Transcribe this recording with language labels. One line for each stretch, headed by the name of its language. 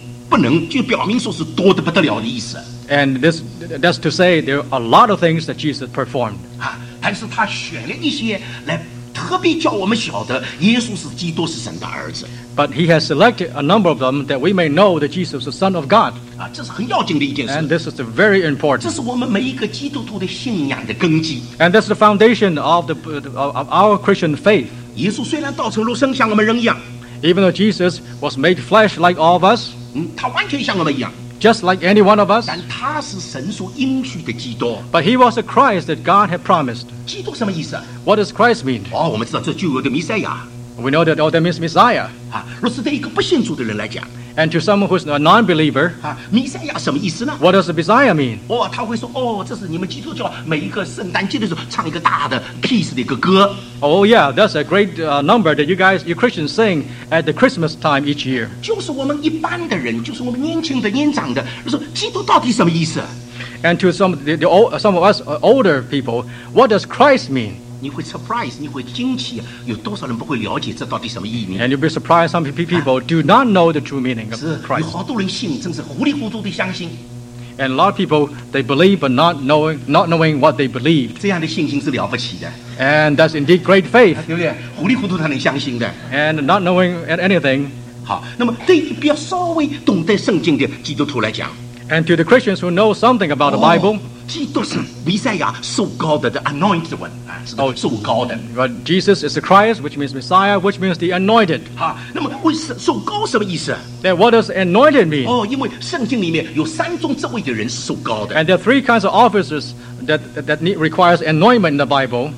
Chinese: 不能就表明说是多得不得了的意思。
English: And that's to say there are a lot of things that Jesus performed.
Chinese: 但是他选了一些来特别叫我们晓得耶稣是基督是神的儿子。
English: But he has selected a number of them that we may know that Jesus is the Son of God.
Chinese: 这是很要紧的一件事。
English: And this is very important.
Chinese: 这是我们每一个基督徒的信仰的根基。
English: And that's the foundation of our Christian faith.
Chinese: 耶稣虽然道成肉身像我们人一样。
English: Even though Jesus was made flesh like all of us,
Chinese: 他完全像我们一样,
English: just like any one of us,
Chinese: 但他是神所应许的基督,
English: but he was a Christ that God had promised.
Chinese: 基督什么意思?
English: What does Christ mean?
Chinese: 哦, 我们知道这旧约的弥赛亚,
English: we know that all that means Messiah.
Chinese: 啊, 若是对一个不信主的人来讲,
English: and to someone who is a non-believer,
Chinese: 啊, 弥赛亚什么意思呢?
English: What does the Messiah mean?
Chinese: 哦, 他会说, 哦, 这是你们基督教每一个圣诞节的时候唱一个大的peace的一个歌。
English: Oh yeah, that's a great number that you Christians sing at the Christmas time each year.
Chinese: 就是我们一般的人，就是我们年轻的、年长的，说基督到底什么意思？
English: And to some of us older people, what does Christ mean?
Chinese: 你会 surprise, 你会惊奇, 有多少人不会了解这到底什么意义？
English: And you'll be surprised, some people do not know the true meaning of Christ.
Chinese: 有好多人信，真是糊里糊涂地相信。
English: And a lot of people, they believe but not knowing what they believe.
Chinese: 这样的信心是了不起的。
English: And that's indeed great faith.
Chinese: 对不对？糊里糊涂他能相信的。
English: And not knowing anything.
Chinese: 好，那么对于比较稍微懂得圣经的基督徒来讲。
English: And to the Christians who know something about the Bible.
Chinese: 基督是弥赛亚，受膏的
English: the anointed one.
Chinese: 受膏的。
English: But Jesus is the Christ, which means Messiah, which means the anointed.
Chinese: 好，那么受膏什么意思？
English: Then what does anointed mean?
Chinese: 因为圣经里面有三种职位的人是受膏的。
English: And there are three kinds of officers that need, requires anointment in the Bible.